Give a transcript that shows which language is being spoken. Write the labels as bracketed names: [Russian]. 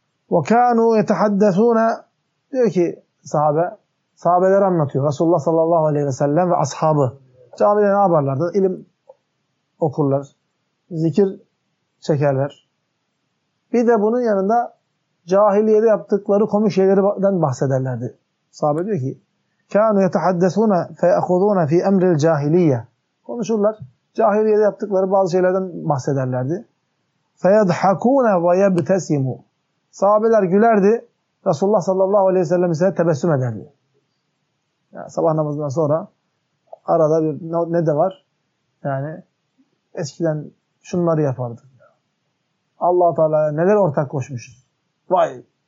[Arabic] وَكَانُوا يَتَحَدَّثُونَ [Turkish] Diyor ki sahabe, sahabeler anlatıyor. Resulullah sallallahu aleyhi ve sellem ve ashabı. Camide ne yaparlardı? İlim okurlar. Zikir çekerler. Bir de bunun yanında cahiliyede yaptıkları komik şeylerden bahsederlerdi. Sahabe diyor ki [Arabic] كَانُوا يَتَحَدَّثُونَ فَيَأْخُذُونَ فِي أَمْرِ الْجَاهِلِيَّةِ [Turkish] Konuşurlar. Cahiliyede yaptıkları bazı şeylerden bahsederlerdi. [Arabic] فَيَضْحَكُونَ وَيَبْتَسِمُوا [Turkish] Sahabeler gülerdi. Resulullah sallallahu aleyhi ve sellem ise tebessüm ederdi. Yani sabah namazından sonra arada bir ne de var? Yani eskiden şunları yapardık. Allah-u Teala'ya neler ortak koşmuşuz. Vay!